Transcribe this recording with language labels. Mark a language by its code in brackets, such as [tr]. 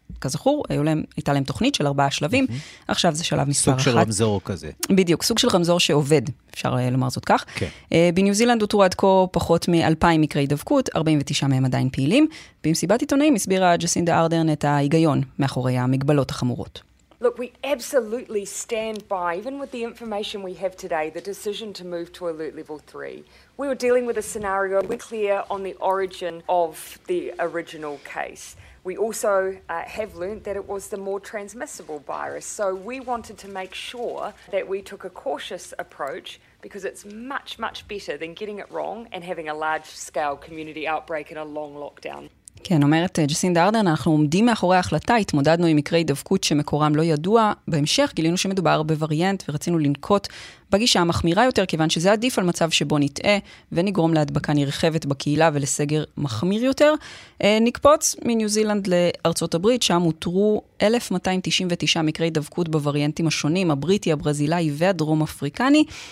[he] כזכור, הייתה להם תוכנית של ארבעה שלבים, עכשיו זה שלב מספר אחת. סוג של רמזור כזה. בדיוק, סוג של רמזור שעובד, אפשר לומר זאת כך. כן. בניו זילנד הותרו עד כה פחות מ-2,000 מקרי הידבקות, 49 מהם עדיין פעילים. במסיבת עיתונאים הסבירה ג'סינדה ארדרן את ההיגיון מאחורי המגבלות החמורות. [en] Look, we absolutely stand by, even with the information we have today, the decision to move to alert level 3. We were dealing with a scenario we're clear on the origin of the original case. We also have learned that it was the more transmissible virus, so we wanted to make sure that we took a cautious approach because it's much, much better than getting it wrong and having a large-scale community outbreak in a long lockdown. [he] כן, אומרת ג'סינדה ארדרן, אנחנו עומדים מאחורי ההחלטה, התמודדנו עם מקרי דבקות שמקורם לא ידוע, בהמשך גילינו שמדובר בווריאנט ורצינו לנקוט בגישה המחמירה יותר, כיוון שזה עדיף על מצב שבו נטעה ונגרום להדבקה נרחבת בקהילה ולסגר מחמיר יותר. נקפוץ מניו זילנד לארצות הברית, שם הותרו 1,299 מקרי דבקות בווריאנטים השונים, הבריטי, הברזילאי והדרום אפריקני.